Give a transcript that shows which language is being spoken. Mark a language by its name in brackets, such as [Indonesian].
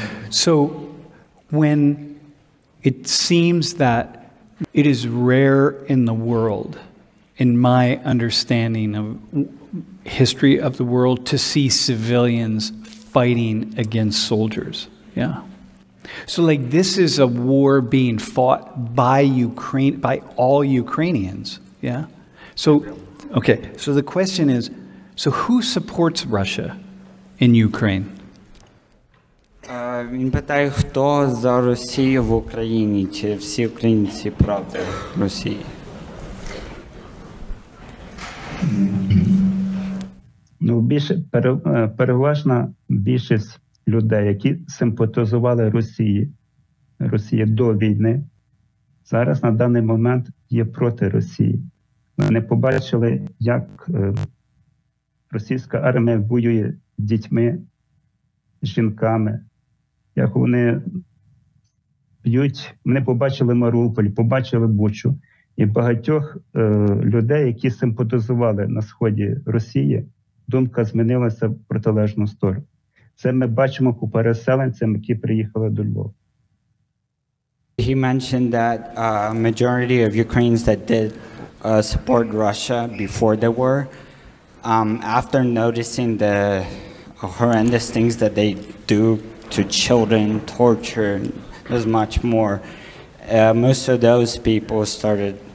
[English] So, when it seems that it is rare in the world, in my understanding of history of the world, to see civilians fighting against soldiers. Yeah. So, like, this is a war being fought by Ukraine, by all Ukrainians. Yeah. So... Okay, so the question is, so who supports Russia in Ukraine? [Ukrainian] Він питає, хто за Росію в Україні, чи всі українці проти Росії? Ну, переважна більшість людей, які симпатизували Росії до війни, зараз на даний момент є проти Росії. Вони побачили, як російська армія воює дітьми, жінками, як вони б'ють. Вони побачили Маріуполь, побачили Бучу. І багатьох людей, які симпатизували на сході Росії, думка змінилася в протилежну сторону. Це ми бачимо по переселенцям, які приїхали до Львова. [English] He mentioned that majority of Ukrainians that did support Russia before the war, after noticing the horrendous things that they do to children, torture, there's much more, most of those people started